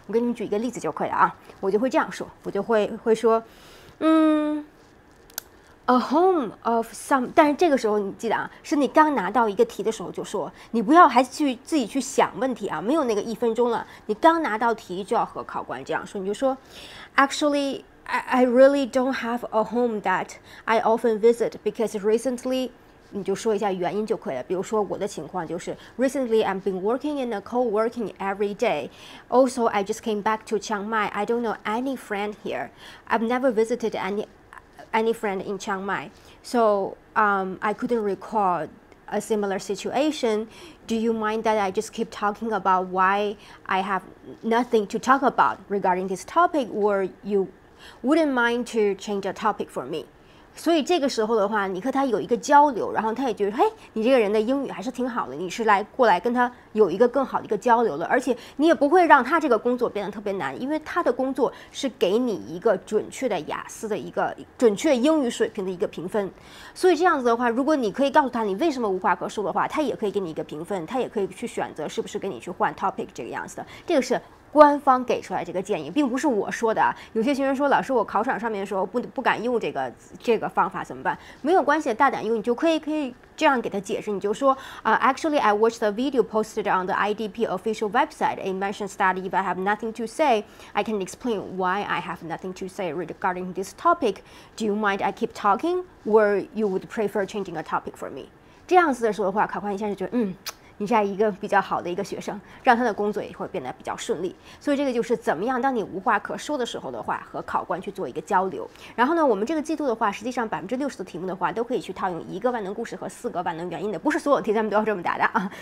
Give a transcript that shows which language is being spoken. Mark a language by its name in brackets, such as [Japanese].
[Chinese] 我给你们举一个例子就可以了啊，我就会这样说，我就会说 [English] A home of some， [Chinese] 但是这个时候你记得啊，是你刚拿到一个题的时候就说，你不要还去自己去想问题啊，没有那个一分钟了，你刚拿到题就要和考官这样说，你就说 [English] ActuallyI really don't have a home that I often visit because recently， [Chinese] 你就说一下原因就可以了。比如说我的情况就是 ， [English] recently I've been working in a co-working every day. Also, I just came back to Chiang Mai. I don't know any friend here. I've never visited any friend in Chiang Mai. So, I couldn't recall a similar situation. Do you mind that I just keep talking about why I have nothing to talk about regarding this topic, or you? Wouldn't mind to change a topic for me. [Chinese] 所以这个时候的话，你和他有一个交流，然后他也觉得，嘿，你这个人的英语还是挺好的，你是来过来跟他有一个更好的一个交流的，而且你也不会让他这个工作变得特别难，因为他的工作是给你一个准确的雅思的一个准确英语水平的一个评分。所以这样子的话，如果你可以告诉他你为什么无话可说的话，他也可以给你一个评分，他也可以去选择是不是跟你去换 topic 这个样子的。这个是官方给出来这个建议，并不是我说的啊。有些学生说，老师，我考场上面的时候不敢用这个方法怎么办？没有关系，大胆用，你就可以这样给他解释，你就说 [English] actually I watched the video posted on the IDP official website. It mentions that if I have nothing to say, I can explain why I have nothing to say regarding this topic. Do you mind I keep talking, or you would prefer changing a topic for me? [Chinese] 这样子的时候的话，考官一下就觉得你是一个比较好的一个学生，让他的工作也会变得比较顺利。所以这个就是怎么样，当你无话可说的时候的话，和考官去做一个交流。然后呢，我们这个季度的话，实际上60%的题目的话，都可以去套用一个万能故事和四个万能原因的，不是所有题咱们都要这么答的啊。